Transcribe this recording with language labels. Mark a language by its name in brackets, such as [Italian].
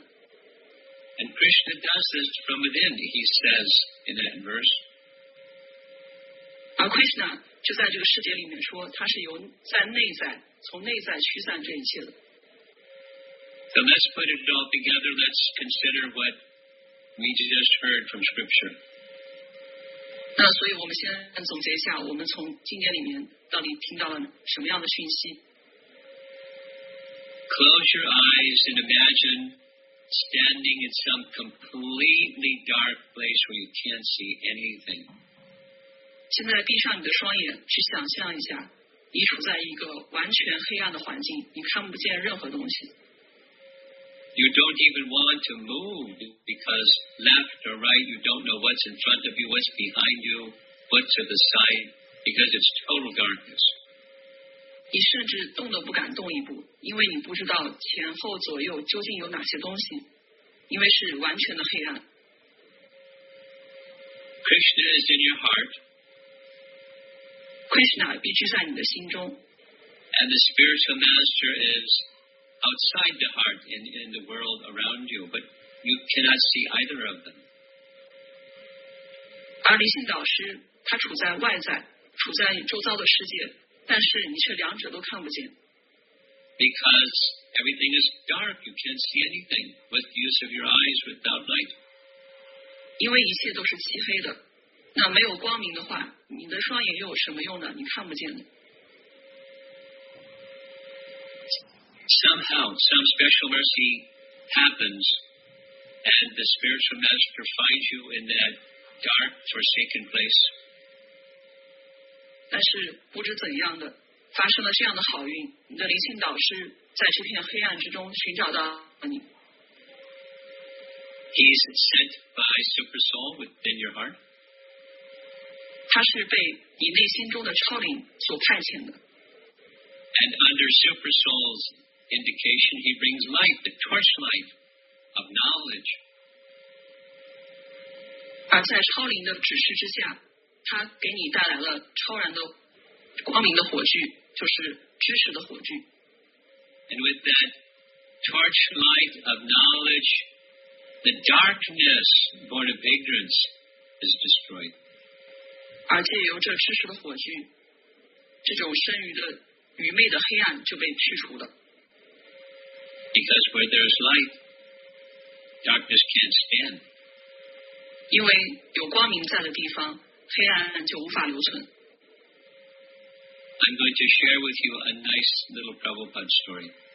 [English] And Krishna does this from within, he says in that verse. [Chinese] 而Krishna 就在这个世界里面说，他是由在内在。 [English] So let's put it all together. Let's consider what we just heard from Scripture. [Chinese] 那所以我们先总结一下，我们从经典里面到底听到了什么样的讯息？ [English] Close your eyes and imagine standing in some completely dark place where you can't see anything. [Chinese] 现在闭上你的双眼，去想象一下。你处在一个完全黑暗的环境，你看不见任何东西。 [English] You don't even want to move because left or right, you don't know what's in front of you, what's behind you, what's to the side, because it's total darkness. [Chinese] 你甚至动都不敢动一步，因为你不知道前后左右究竟有哪些东西，因为是完全的黑暗。 [English] Krishna is in your heart. [Chinese] Krishna 必须在你的心中。 [English] And the spiritual master is outside the heart in the world around you, but you cannot see either of them. [Chinese] 而灵性导师，他处在外在，处在周遭的世界，但是你却两者都看不见。 [English] Because everything is dark, you can't see anything with the use of your eyes without light. [Chinese] 因为一切都是漆黑的，那没有光明的话，你的双眼又有什么用呢？你看不见的。 [English] Somehow, some special mercy happens, and the spiritual master finds you in that dark, forsaken place. [Chinese] 但是不知怎样的，发生了这样的好运，你的灵性导师在这片黑暗之中寻找到了你。 [English] He's sent by Super Soul within your heart. [Chinese] 他是被你内心中的超灵所派遣的。 [English] And under Super Soul's indication, he brings light, the torchlight of knowledge. [Chinese] 而在超灵的指示之下，他给你带来了超然的光明的火炬，就是知识的火炬。 [English] And with that torchlight of knowledge,The darkness born of ignorance is destroyed. [Chinese] 而借由这知识的火炬，这种生于的愚昧的黑暗就被去除了。 [English] Because where there is light, darkness can't stand. [Chinese] 因为有光明在的地方，黑暗就无法留存。 [English] I'm going to share with you a nice little Prabhupada story.